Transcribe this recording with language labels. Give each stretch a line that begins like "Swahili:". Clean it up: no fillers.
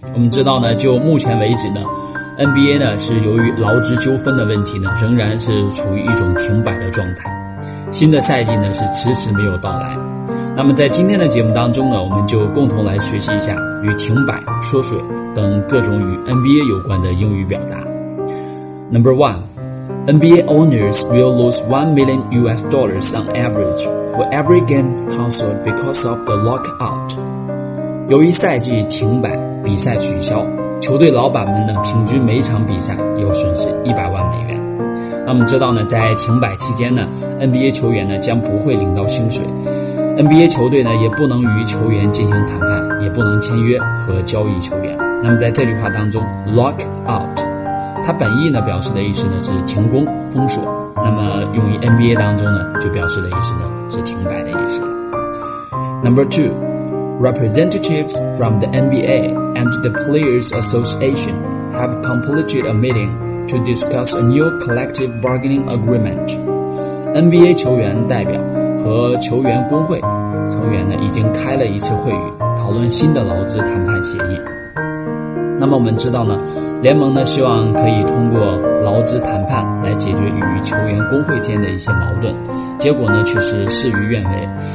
Chinese: 我们知道呢，就目前为止呢， NBA 呢是由于劳资纠纷的问题呢，仍然是处于一种停摆的状态，新的赛季呢是迟迟没有到来。那么在今天的节目当中呢，我们就共同来学习一下与停摆、缩水等各种与 NBA 有关的英语表达。
English: Number 1， NBA owners will lose $1 million on average for every game canceled because of the lockout.
Chinese: 由于赛季停摆、比赛取消，球队老板们呢平均每场比赛要损失$1,000,000。那么知道呢，在停摆期间呢， NBA 球员呢将不会领到薪水，NBA 球队呢也不能与球员进行谈判，也不能签约和交易球员。那么在这句话当中， lock out 它本意呢表示的意思呢是停工、封锁，那么用于 NBA 当中呢就表示的意思呢是停摆的意思。
English: Number 2， Representatives from the NBA and the Players Association have completed a meeting to discuss a new collective bargaining agreement.
Chinese: NBA 球员代表和球员工会成员呢已经开了一次会议，讨论新的劳资谈判协议。那么我们知道呢，联盟呢希望可以通过劳资谈判来解决与球员工会间的一些矛盾，结果呢却是事与愿违。